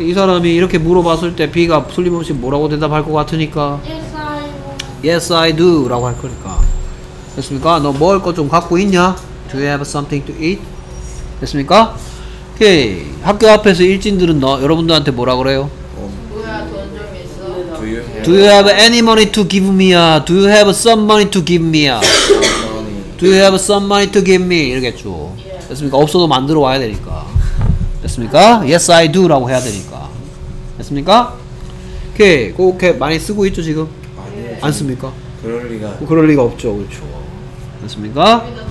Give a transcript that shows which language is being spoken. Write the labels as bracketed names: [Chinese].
[Korean] 이 사람이 이렇게 물어봤을 때 비가 틀림없이 뭐라고 대답할 것 같으니까 [English] Yes, I do [Korean] 라고 할 거니까. 됐습니까? 너 먹을 것 좀 갖고 있냐? [English] Do you have something to eat? [Korean] 됐습니까? 오케이. 학교 앞에서 일진들은 너 여러분들한테 뭐라 그래요? 뭐야 돈 좀 있어? [English] Do you have any money to give me? Do you have some money to give me? Do you have some money to give me? [Korean] 이러겠죠. 됐습니까? 없어도 만들어 와야 되니까. 됐습니까? [English] Yes, I do [Korean] 라고 해야 되니까. 됐습니까? 오케이. 그렇게 많이 쓰고 있죠 지금? 많이 안 씁니까? 그럴 리가. 그럴 리가 없죠. 그렇죠. 맞습니까?